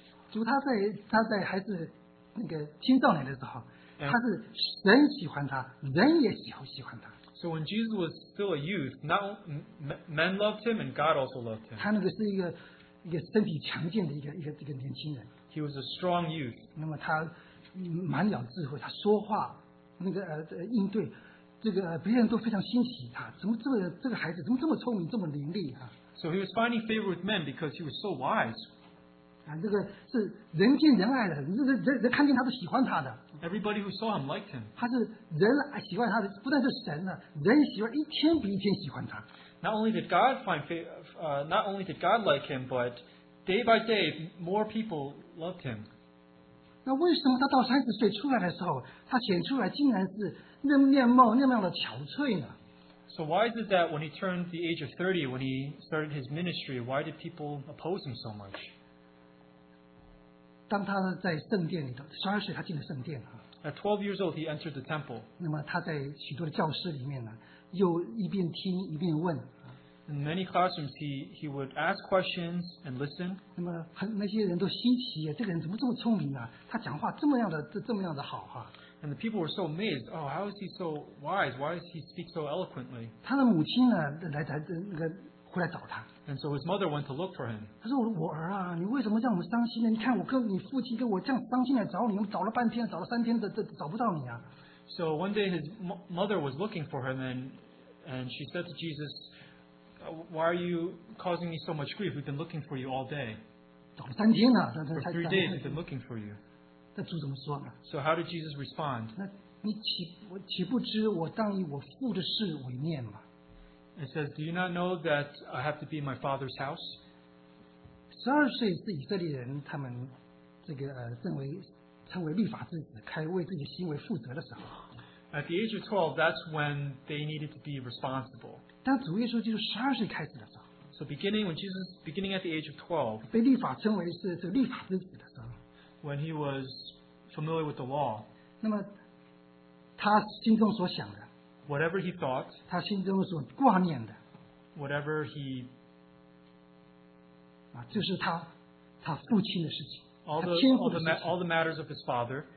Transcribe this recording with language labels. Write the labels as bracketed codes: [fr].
[zh] 主他在还是那个青少年的时候，他是神喜欢他，人也喜欢他。 [en] So when Jesus was still a youth, not men loved him and God also loved him. [zh] 他那个是一个身体强健的一个年轻人。 [en] He was a strong youth. [zh] 那么他满了智慧，他说话那个应对，这个别人都非常欣喜他，怎么这个孩子怎么这么聪明，这么伶俐啊 [en] ？So he was finding favor with men because he was so wise. [zh] 啊，这个是人见人爱的，人看见他都喜欢他的。 [en] Everybody who saw him liked him. [zh] 他是人喜欢他的，不但是神呢，人喜欢一天比一天喜欢他。 [en] Not only did God find not only did God like him, but day by day more people loved him. [zh] 那为什么他到三十岁出来的时候，他显出来竟然是那面貌那样的憔悴呢 [en] ？So why is it that when he turned the age of 30, when he started his ministry, why did people oppose him so much? [zh] 当他在圣殿里头，十二岁他进了圣殿啊。 [en] At 12 years old, he entered the temple. [zh] 那么他在许多的教室里面呢，又一边听一边问。 [en] In many classrooms, he would ask questions and listen. [zh] 那么那些人都新奇啊，这个人怎么这么聪明啊？他讲话这么样的好啊。 [en] And the people were so amazed. Oh, how is he so wise? Why does he speak so eloquently? [zh] 他的母亲呢，来那个。回来找他。 [en] And so his mother went to look for him. [zh] 他说：“我儿啊，你为什么这样伤心呢？你看我跟你父亲跟我这样伤心来找你，我找了半天，找了三天的找不到你啊。” [en] So one day his mother was looking for him, and she said to Jesus, "Why are you causing me so much grief? We've been looking for you all day." [zh] 找了三天了，他 [en] For 3 days we've been looking for you. [zh] 那主怎么说呢 [en] ？So how did Jesus respond? [zh] 那你岂不知我当以我父的事为念吗？ [en] It says, "Do you not know that I have to be in my father's house?" [zh] 十二岁是以色列人他们这个认为成为律法之子，开为自己行为负责的时候。 [en] At the age of 12, that's when they needed to be responsible. [zh] 当主耶稣基督12岁开始的时候, [en] so beginning when Jesus beginning at the age of 12, [zh] 被律法称为是律法之子的时候, [en] when he was familiar with the law, [zh] 那么他心中所想的, [en] whatever he thought, [zh] 他心中所挂念的, [en] whatever he [zh] 啊, 就是他, 他父亲的事情, [en] all the matters of his father,